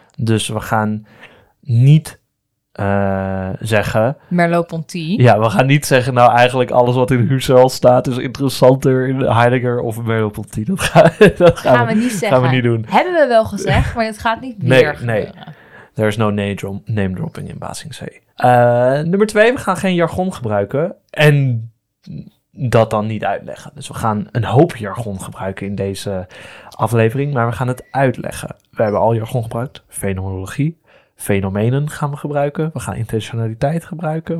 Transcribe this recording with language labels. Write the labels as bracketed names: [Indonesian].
[Dutch] Dus we gaan niet zeggen... Merleau-Ponty. Ja, we gaan niet zeggen, nou eigenlijk alles wat in Husserl staat is interessanter in Heidegger of Merleau-Ponty. Dat gaan we niet doen. Hebben we wel gezegd, maar het gaat niet meer gebeuren. [English] Nee, there is no name dropping in Basingsee. [Dutch] Nummer 2, we gaan geen jargon gebruiken en dat dan niet uitleggen. Dus we gaan een hoop jargon gebruiken in deze aflevering, maar we gaan het uitleggen. We hebben al jargon gebruikt, fenomenologie. Fenomenen gaan we gebruiken. We gaan intentionaliteit gebruiken.